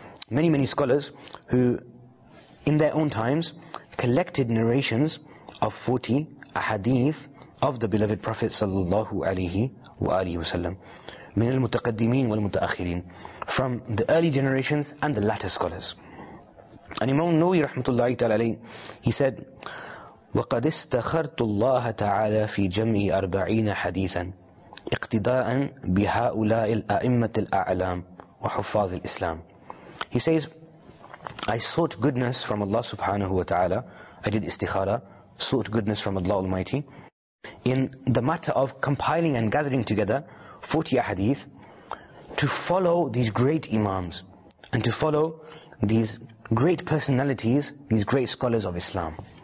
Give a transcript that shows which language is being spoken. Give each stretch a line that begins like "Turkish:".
English: Many, many scholars who in their own times collected narrations of 40 ahadith of the beloved Prophet sallallahu alayhi wa alihi wa sallam,
Arabic: min al-mutaqaddimin wal-mutaakhirin,
English: from the early generations and the latter scholars. And Imam Nawawi rahmatullahi ta'ala alayhi, he said,
Arabic: وقد استخرت الله تعالى في جمع 40 حديثا اقتداء بهؤلاء الأئمة الأعلام وحفاظ الإسلام.
English: He says, I sought goodness from Allah subhanahu wa ta'ala. I did istikhara, sought goodness from Allah Almighty in the matter of compiling and gathering together 40 ahadith to follow these great imams and to follow these great personalities, these great scholars of Islam.